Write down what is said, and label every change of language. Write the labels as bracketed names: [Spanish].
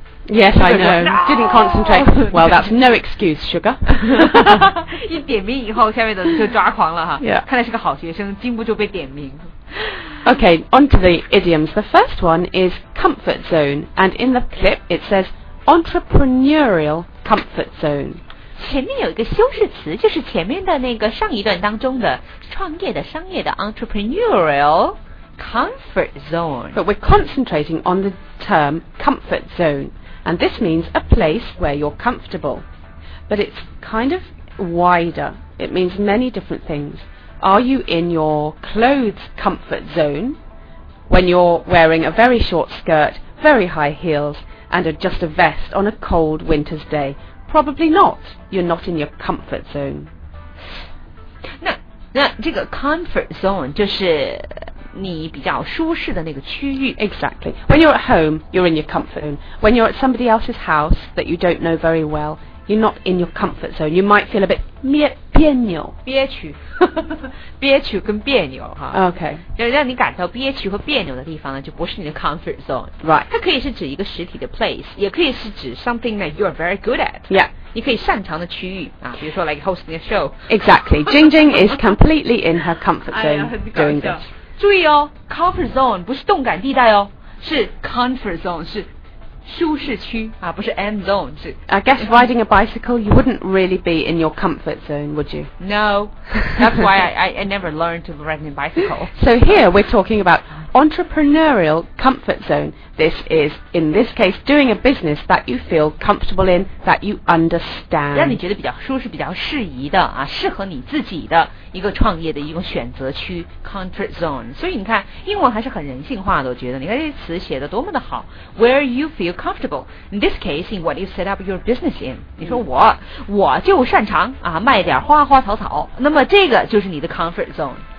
[English] Yes I know Didn't concentrate Well that's no excuse Sugar [Chinese] 一点名以后下面的就抓狂了哈、 [English] yeah. [Chinese] 看来是个好学生经不住被点名 [English] OK on to the idioms The first one is comfort zone And in the clip it saysEntrepreneurial comfort zone. [Chinese] 前面有一个修饰词，就是前面的那个上一段当中的创业的、商业的 entrepreneurial comfort zone. [English] But we're concentrating on the term comfort zone, and this means a place where you're comfortable. But it's kind of wider. It means many different things. Are you in your clothes comfort zone when you're wearing a very short skirt, very high heels? And just a vest on a cold winter's day. Probably not. You're not in your comfort zone. [Chinese] 那这个 comfort zone 就是你比较舒适的那个区域。 [English] Exactly. When you're at home, you're in your comfort zone. When you're at somebody else's house that you don't know very well, you're not in your comfort zone. You might feel a bit [Chinese] 别扭。憋屈。憋屈跟别扭哈 [English] ，OK， [Chinese] 就是让你感到憋屈和别扭的地方呢，就不是你的 comfort zone， [English] right？ [Chinese] 它可以是指一个实体的 place， 也可以是指 [English] something that you are very good at， yeah， [Chinese] 你可以擅长的区域啊，比如说 [English] like hosting a show， exactly， Jing Jing is completely in her comfort zone、哎、 doing this。 [Chinese] 注意哦， comfort zone 不是动感地带哦，是 comfort zone 是。舒适区啊，不是 end zone 是。 [English] I guess riding a bicycle, you wouldn't really be in your comfort zone, would you? No, that's why I never learned to ride a bicycle. So here we're talking about entrepreneurial comfort zone. This is, in this case, doing a business that you feel comfortable in, that you understand. [Chinese] 让你觉得比较舒适、比较适宜的啊，适合你自己的一个创业的一个选择区 comfort zone. 所以你看，英文还是很人性化的。我觉得你看这些词写的多么的好 ， [English] where you feel. Comfortable. In this case, in what you set up your business in. [Chinese] 你说我就擅长啊卖点花花草草。那么这个就是你的 comfort zone.